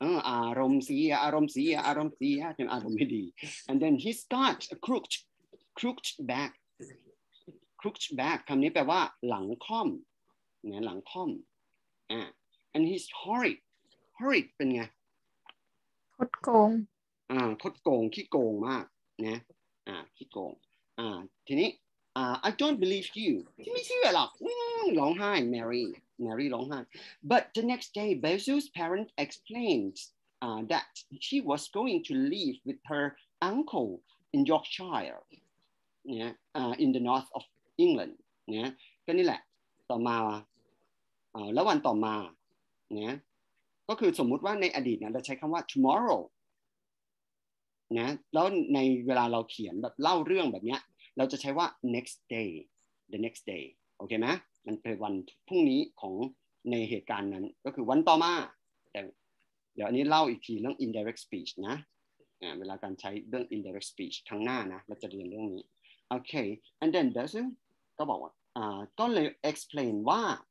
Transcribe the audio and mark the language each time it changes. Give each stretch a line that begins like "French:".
Thai: อารมณ์เสียอารมณ์เสียอารมณ์เสียจนอารมณ์ไม่ดี
English: and then he's got a crooked back
Thai: crooked back คำนี้แปลว่าหลังค่อมนะหลังค่อม
English: and he's horrid
Thai: เป็นไง คดโกง คดโกงขี้โกงมากนะขี้โกงทีนี้
English: I don't believe you.
Thai: ไม่เชื่อหรอกร้องไห้
English: Mary
Thai: ร้องไห้
English: But the next day, Basil's parents explained that she was going to live with her uncle in Yorkshire, in the north of England.
Thai: ก็นี่แหละต่อมาแล้ววันต่อมาก็คือสมมุติว่าในอดีตเราใช้คำว่า tomorrow แล้วในเวลาเราเขียนแบบเล่าเรื่องแบบเนี้ยเราจะใช้ว่า the next day โอเคไหมมันเป็นวันพรุ่งนี้ของในเหตุการณ์นั้นก็คือวันต่อมาแต่เดี๋ยวอันนี้เล่าอีกทีเรื่อง indirect speech นะเวลาการใช้เรื่อง indirect speech ทั้งหน้านะเราจะเรียนเรื่องนี้โอเค
English: and then
Thai: Basil ก็บอกว่าก็เลย explain ว่า